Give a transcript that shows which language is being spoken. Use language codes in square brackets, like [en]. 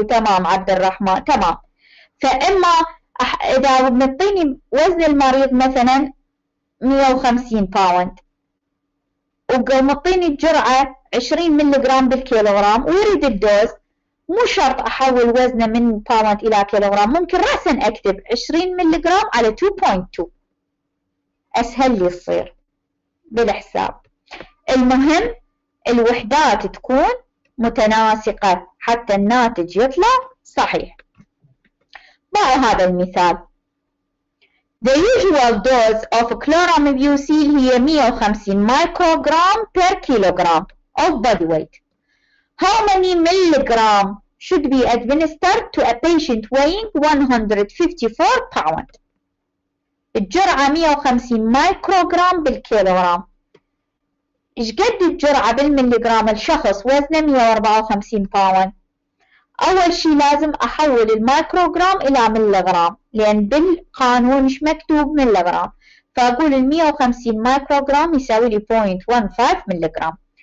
[ar] تمام عبد الرحمن، تمام. فاما اذا بنعطيني وزن المريض مثلا 150 باوند ومعطيني الجرعه 20 ملغرام بالكيلوغرام ويريد الدوز، مو شرط احول وزنه من باوند الى كيلوغرام، ممكن راسا اكتب 20 ملغرام على 2.2، اسهل لي يصير بالحساب. المهم الوحدات تكون متناسقه حتى الناتج يطلع صحيح. بقى هذا المثال، [en] the usual dose of chloramibusil [ar] هي [en] 150 microgram per kilogram of body weight. how many milligram should be administered to a patient weighing 154 pounds. [ar] الجرعة 150 مايكروغرام بالكيلوغرام، إيش قد الجرعة بالمليغرام الشخص وزنه 154 باوند؟ أول شي لازم أحول المايكروغرام إلى مليغرام، لأن بالقانون مش مكتوب مليغرام، فأقول 150 مايكروغرام يساوي لي 0.15 مليغرام.